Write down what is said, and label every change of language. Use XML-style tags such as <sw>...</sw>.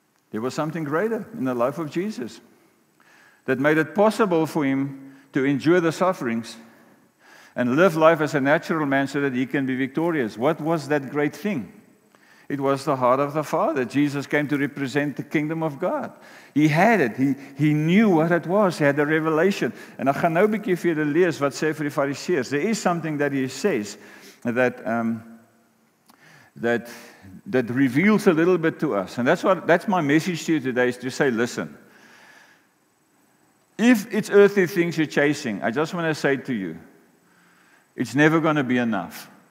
<en>There was something greater in the life of Jesus that made it possible for him to endure the sufferings and live life as a natural man so that he can be victorious. What was that great thing? It was the heart of the Father. Jesus came to represent the kingdom of God. He had it. He knew what it was. He had a revelation. And I</en> <af>gaan nou 'n bietjie vir julle lees wat sê vir die Fariseërs.</af> <en>There is something that he says that reveals a little bit to us. And that's my message to you today, is to say, listen, if it's earthly things you're chasing, I just want to say to you, it's never going to be enough.</en>